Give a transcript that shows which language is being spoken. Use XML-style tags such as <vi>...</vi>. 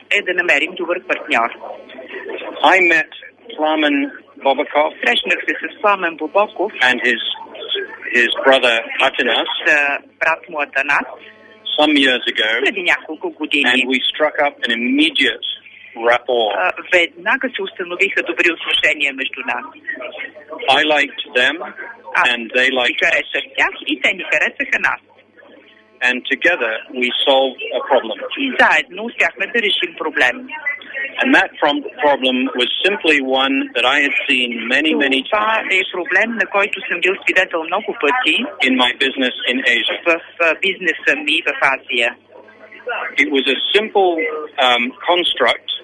<bg>Е да намерим добър партньор.</bg> <en>I met Пламен Бобоков.</en> <bg>Срещнах се с Пламен Бобоков.</bg> <en>And his brother Атанас.</en> <bg>Брат му Атанас.</bg> <en>Some years ago.</en> <bg>Преди няколко години.</bg> <en>And we struck up an immediate</en> <bg>веднага се установиха добри отношения между нас.</bg> <en>I liked them and they liked</en> <bg>us. И те ни харесаха нас.</bg> <en>And together we solved a problem.</en> <bg>И заедно успяхме да решим проблем.</bg> <en>And that problem was simply one that I had seen many, many times.</en> <bg>Това е проблем, на който съм бил свидетел много пъти.</bg> <en>In my business in Asia.</en> <bg>В бизнеса ми в Азия.</bg> <en>It was a simple construct.</en>